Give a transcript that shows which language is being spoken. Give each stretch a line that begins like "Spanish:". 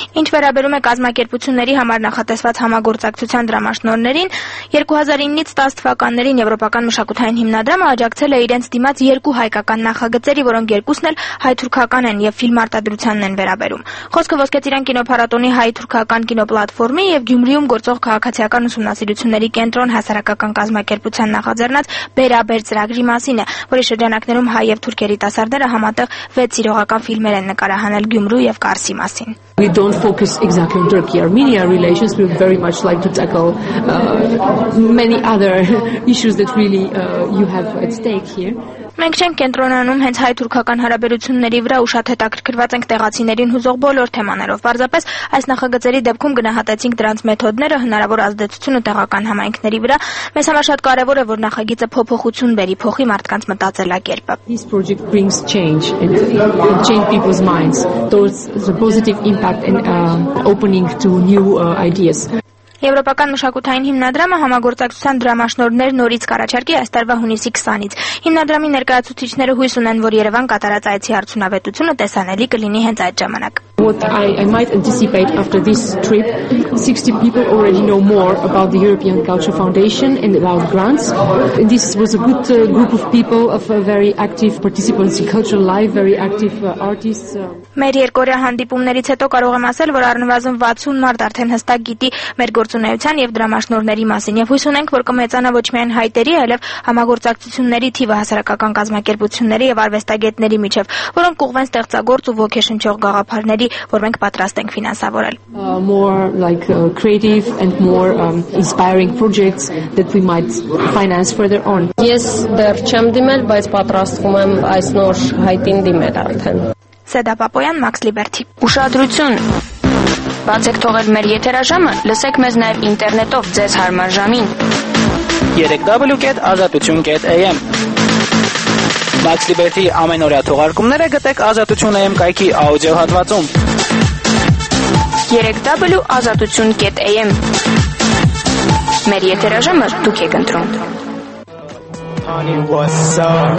Armenian: Ինչ վերաբերում է կազմակերպությունների համար նախատեսված համագործակցության դրամաշնորներին, 2009-ից 10 թվականներին Եվրոպական մշակութային հիմնադրամը աջակցել է իրենց դիմաց երկու հայկական նախագծերի, որոնք երկուսն էլ հայ-թուրքական են եւ ֆիլմ արտադրությանն են վերաբերում։ Խոսքը Ոսկե Ծիրան կինոփառատոնի հայ-թուրքական կինոպլատֆորմի եւ Գյումրիում գործող Քաղաքացիական ուսումնասիրությունների կենտրոն հասարակական կազմակերպության նախաձեռնած «Բերաբեր» ծրագրի մասին է, որի շրջանակներում հայ եւ թուրք երիտասարդները համատեղ 6 սիրողական ֆիլմեր են նկարահանել Գյումրու եւ Կարսի մասին։
English: We don't focus exactly on Turkey-Armenia relations. We would very much like to tackle many other issues that really you have at stake here.
Armenian: Մենք չենք կենտրոնանում հենց հայ-թուրքական հարաբերությունների վրա ու շատ հետաքրքրված ենք տեղացիներին հուզող բոլոր թեմաներով։ Պարզապես այս նախագծերի դեպքում գնահատեցինք դրանց մեթոդները, հնարավոր ազդեցությունը տեղական համայնքների վրա։ Մեզ համար շատ կարևոր է, որ նախագիծը փոփոխություն բերի, փոխի մարդկանց մտածելակերպը։
English: This project brings change and change people's minds towards the positive impact and opening to new ideas.
Armenian: Եվրոպական մշակութային հիմնադրամը համագործակցության դրամաշնորներ նորից կառաջարկի այս տարվա հունիսի 20-ից։ Հիմնադրամի ներկայացուցիչները հույս ունեն, որ Երևան կատարած այցի արդյունավետությունը տեսանելի կլինի հենց այդ ժամանակ։
English: What I might anticipate after this trip, 60 people already know more about the European Culture Foundation and about grants. And this was a good group of people of a very active participants in cultural life, very active artists.
Armenian: Մեր երկօրյա հանդիպումներից հետո կարող եմ ասել, որ առնվազն 60 մարդ արդեն հստակ գիտի մեր գործունեության եւ դրամաշնորների մասին եւ հույս ունենք, որ կմեծանա ոչ միայն հայտերի, այլեւ համագործակցությունների թիվը հասարակական կազմակերպությունների եւ արվեստագետների միջեւ, որոնք կուղվեն ստեղծագործ ու ոգեշնչող գաղափարներ, որ մենք պատրաստ ենք ֆինանսավորել։
English: More like creative and more inspiring projects that we might finance further on.
Armenian: Ես դեռ չեմ դիմել, բայց պատրաստվում եմ այս նոր հայտին դիմել արդեն։ Սեդա Պապոյան, Մաքս Լիբերթի։ Ուշադրություն։ Բացեք թողել մեր եթերաժամը, լսեք մեզ նաև ինտերնետով ձեզ հարմար ժամին։ www.azatutyun.am Մաքս Լիբերթի ամենօրյա թողարկումները գտեք Ազատություն AM կայքի աուդիո հատվածում։ 3w.azatutyun.am Մեր եթերաժամը դուք եք ընտրում։
English: Honey, what's up?